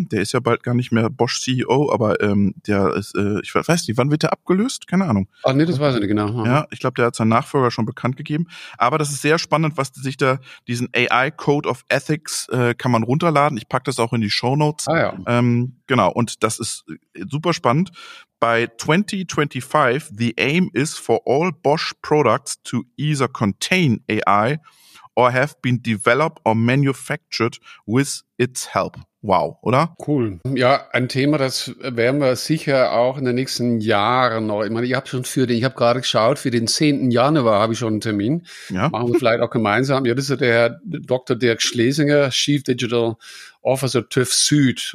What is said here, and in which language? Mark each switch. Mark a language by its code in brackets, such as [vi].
[de] Der ist ja bald gar nicht mehr Bosch-CEO, aber der ist, ich weiß nicht, wann wird der abgelöst? Keine Ahnung. Ach nee, das weiß ich nicht genau. Ja, ich glaube, der hat seinen Nachfolger schon bekannt gegeben. Aber das ist sehr spannend, was sich da diesen AI Code of Ethics kann man runterladen. Ich packe das auch in die Shownotes. Ah ja. Genau. Und das ist super spannend. [en] By 2025, the aim is for all Bosch products to either contain AI or have been developed or manufactured with its help. [de] Wow, oder? Cool. Ja, ein Thema, das werden wir sicher auch in den nächsten Jahren noch. Ich meine, ich habe gerade geschaut, für den 10. Januar habe ich schon einen Termin. Ja. Machen wir vielleicht auch gemeinsam. Ja, das ist der Herr Dr. Dirk Schlesinger, Chief Digital Officer TÜV Süd.